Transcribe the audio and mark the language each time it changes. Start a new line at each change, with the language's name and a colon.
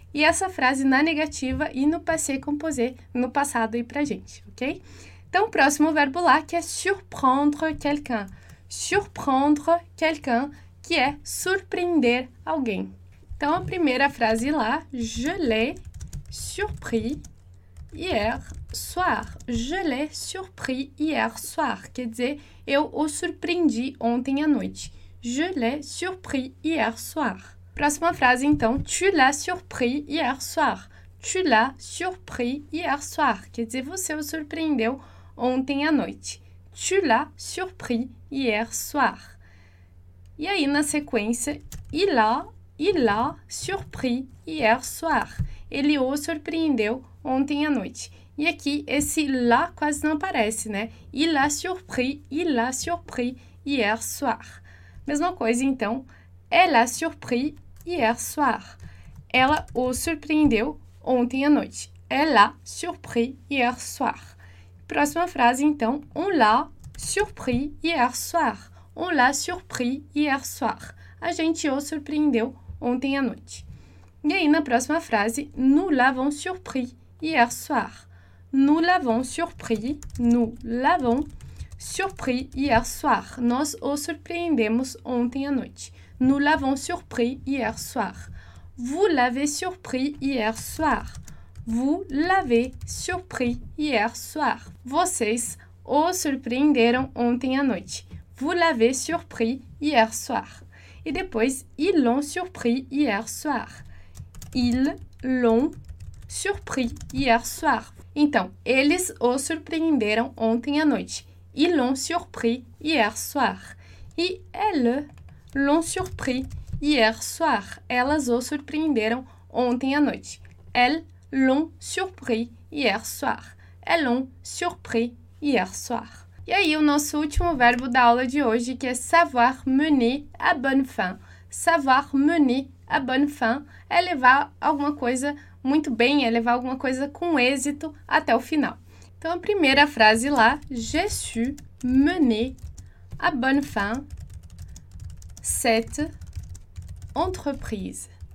Portuguese: E essa frase na negativa e no passé composé, no passado aí pra gente, ok? Então, o próximo verbo lá, que é surprendre quelqu'un. Surprendre quelqu'un, que é surpreender alguém. Então, a primeira frase lá,
French: surpris hier soir. Je l'ai surpris hier soir.
Portuguese: Quer dizer, eu o surpreendi ontem à noite.
French: Je l'ai surpris hier soir.
Portuguese: Próxima frase, então.
French: Tu l'as surpris hier soir. Tu l'as surpris hier soir.
Portuguese: Quer dizer, você o surpreendeu ontem à noite.
French: Tu l'as surpris hier soir.
Portuguese: E aí, na sequência,
French: il a surpris hier soir.
Portuguese: Ele o surpreendeu ontem à noite. E aqui, esse l'a quase não aparece, né?
French: Il a surpris hier soir.
Portuguese: Mesma coisa, então.
French: Elle a surpris hier soir.
Portuguese: Ela o surpreendeu ontem à noite.
French: Elle a surpris hier soir.
Portuguese: Próxima frase, então.
French: On l'a surpris hier soir. On l'a surpris hier soir.
Portuguese: A gente o surpreendeu ontem à noite. E aí, na próxima frase,
French: nous l'avons surpris hier soir. Nous l'avons surpris. Nous l'avons surpris hier soir.
Portuguese: Nós o surpreendemos ontem à noite.
French: Nous l'avons surpris hier soir. Vous l'avez surpris hier soir. Vous l'avez surpris hier soir.
Portuguese: Vocês o surpreenderam ontem à noite.
French: Vous l'avez surpris hier soir.
Portuguese: E depois,
French: ils l'ont surpris hier soir. Ils l'ont surpris hier soir.
Portuguese: Então, eles o surpreenderam ontem à noite.
French: Ils l'ont surpris hier soir. E elles l'ont surpris hier soir.
Portuguese: Elas o surpreenderam ontem à noite.
French: Elles l'ont surpris hier soir. Elles l'ont surpris hier soir.
Portuguese: E aí, o nosso último verbo da aula de hoje, que é
French: savoir mener à bonne fin. Savoir mener à bonne fin
Portuguese: é levar alguma coisa muito bem, é levar alguma coisa com êxito até o final. Então, a primeira frase lá,
French: je suis mené à bonne fin cette entreprise.